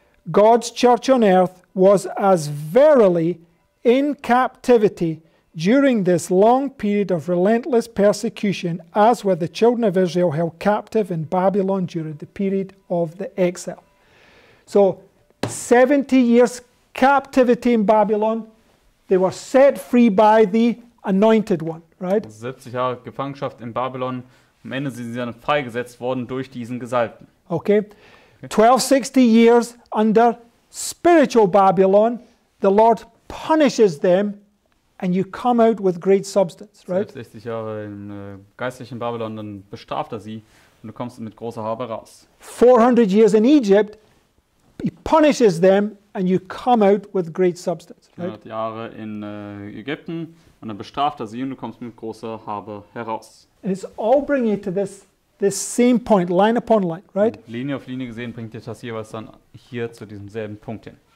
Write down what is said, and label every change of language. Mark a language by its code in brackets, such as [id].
[en] God's church on earth was as verily in captivity during this long period of relentless persecution as were the children of Israel held captive in Babylon during the period of the exile. So 70 years captivity in Babylon, they were set free by the anointed one, right? [de] 70 Jahre Gefangenschaft in Babylon, am Ende sind sie dann freigesetzt worden durch diesen Gesalbten. [en] Okay. 1260 years under spiritual Babylon, the Lord punishes them and you come out with great substance, right? [de] 60 Jahre in geistlichen Babylon, dann bestraft er sie und du kommst mit großer Habe raus. [en] 400 years in Egypt, he punishes them and you come out with great substance, right? [de] 400 Jahre in Ägypten und dann bestraft er sie und du kommst mit großer Habe heraus. [en] And it's all bringing you to this same point, line upon line, right? [de] Und Linie auf Linie gesehen bringt dir das jeweils dann hier zu diesem selben Punkt hin.